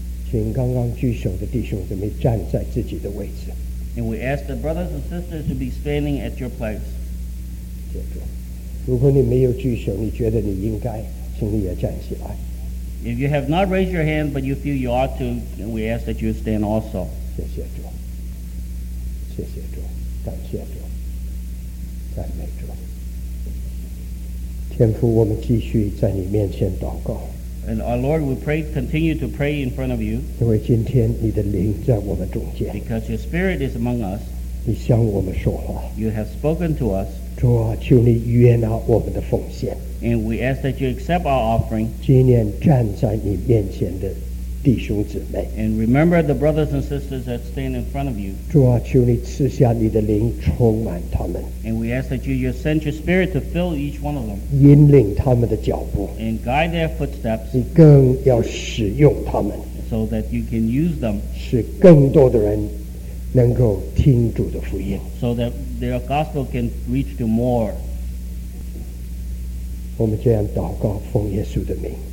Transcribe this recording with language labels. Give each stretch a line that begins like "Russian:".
Chinese: 请刚刚举手的弟兄姊妹站在自己的位置。
English: And we ask the brothers and sisters to be standing at your place.
Chinese: 谢主。如果你没有举手，你觉得你应该，请你也站起来。
English: If you have not raised your hand, but you feel you ought to, then we ask that you stand also.
Chinese: 谢谢主。谢谢主，感谢主。赞美主，天父，我们继续在你面前祷告。
English: And our Lord, we pray, continue to pray in front of you.
Chinese: 因为今天你的灵在我们中间。
English: Because your Spirit is among us.
Chinese: 你向我们说话。
English: You have spoken to us.
Chinese: 主啊，求你悦纳我们的奉献。
English: And we ask that you accept our offering.
Chinese: 纪念站在你面前的弟兄姊妹。
English: And remember the brothers and sisters that stand in front of you.
Chinese: 主啊，求你赐下你的灵充满他们。
English: And we ask that you just send your spirit to fill each one of them.
Chinese: 引领他们的脚步。
English: And guide their footsteps.
Chinese: 你更要使用他们。
English: So that you can use them.
Chinese: 使更多的人能够听主的福音。
English: So that their gospel can reach to more.
Chinese: 我们这样祷告，奉耶稣的名。